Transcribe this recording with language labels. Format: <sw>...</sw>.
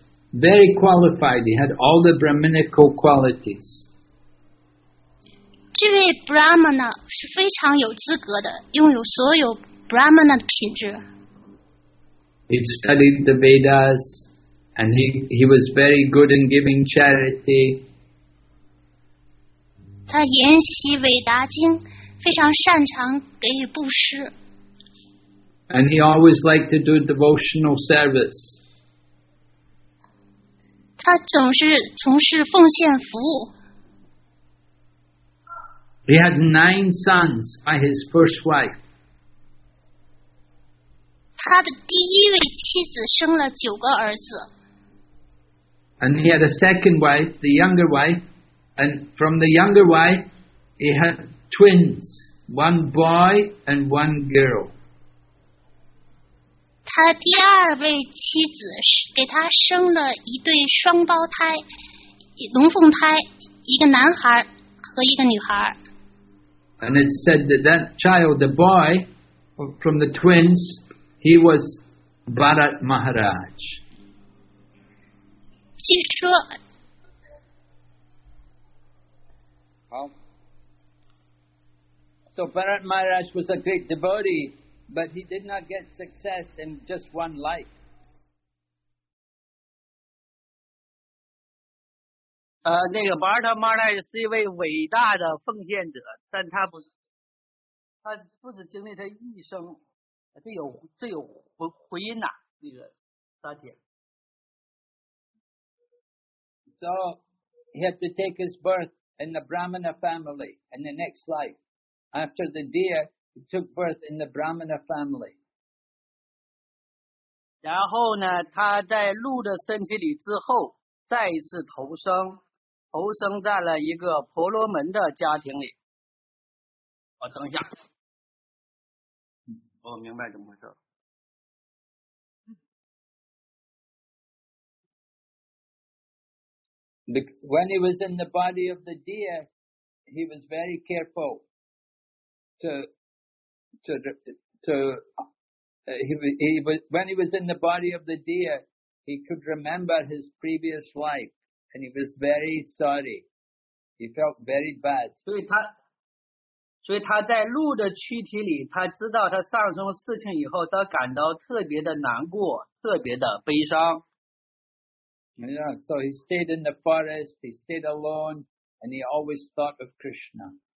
<en>Very qualified, he had all the Brahminical qualities.</en> <zh>这位 Brahmana 是非常有资格的，拥有所有 Brahmana 的品质。</zh> <en>He studied the Vedas, and he was very good in giving charity.</en> <zh>他研习韦达经，非常擅长给予布施。</zh> <en>And he always liked to do devotional service.</en> <zh>他总是从事奉献服务。</zh> <en>He had 9 sons by his first wife.</en> <zh>他的第一位妻子生了九个儿子。</zh> <en>And he had a second wife, the younger wife, and from the younger wife, he had twins, one boy and one girl.</en> <zh>他第二位妻子给他生了一对双胞胎，龙凤胎，一个男孩和一个女孩。</zh> <en>And it said that that child, the boy from the twins, he was Bharat Maharaj.</en> <zh>据说。好。</zh> <en>So Bharat Maharaj was a great devotee. But he did not get success in just one life.</en> <zh>Bharata Maharaj 是一位伟大的奉献者，但他不，他不只经历他一生，这有回音呐，那个沙铁。</zh> <en>So he had to take his birth in the Brahmana family in the next life after the deer. Took birth in the Brahmana family.</en> <zh>然后呢，他在鹿的身体里之后，再一次投生在了一个婆罗门的家庭里。哦，等一下，我明白怎么回事。</zh> <en>When he was in the body of the deer, he was very careful when he was in the body of the deer, he could remember his previous life, and he was very sorry. He felt very bad.</en> <zh>所以他在鹿的躯体里，他知道他上生事情以后，他感到特别的难过，特别的悲伤。</zh> <en>Yeah, so he stayed in the forest, he stayed alone, and he always thought of Krishna.</en>